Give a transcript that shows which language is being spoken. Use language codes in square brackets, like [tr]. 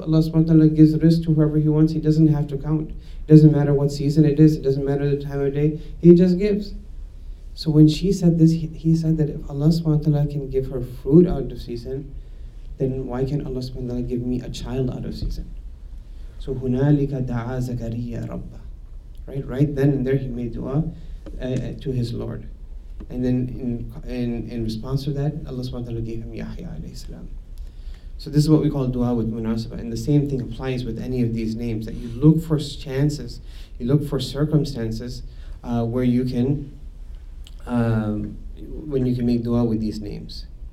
[en] Allah subhanahu wa ta'ala gives risk to whoever he wants. He doesn't have to count. It doesn't matter what season it is. It doesn't matter the time of day. He just gives. So when she said this, he said that if Allah subhanahu wa ta'ala can give her fruit out of season, then why can't Allah subhanahu wa ta'ala give me a child out of season? [ar] So هُنَالِكَ دَعَى زَكَرِيَّ رَبَّهُ. [en] Right then and there he made dua to his Lord. And then in response to that, Allah subhanahu wa ta'ala gave him Yahya alayhi salam. So this is what we call dua with munasaba. And the same thing applies with any of these names, that you look for chances, you look for circumstances where you can, when you can make dua with these names.